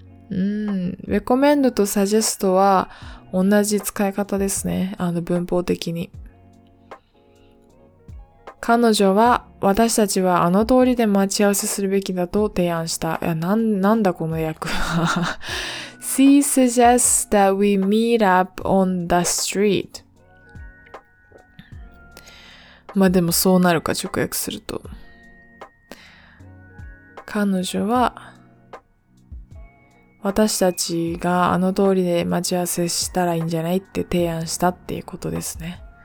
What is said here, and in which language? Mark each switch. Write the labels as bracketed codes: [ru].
[ja] Recommend と suggest は同じ使い方ですね。文法的に。彼女は、私たちは通りで待ち合わせするべきだと提案した。いや、なんだこの役は。 [en] She suggests that we meet up on the street. [ja] まあでもそうなるか、直訳すると。彼女は、私たちが通りで待ち合わせしたらいいんじゃないって提案したっていうことですね。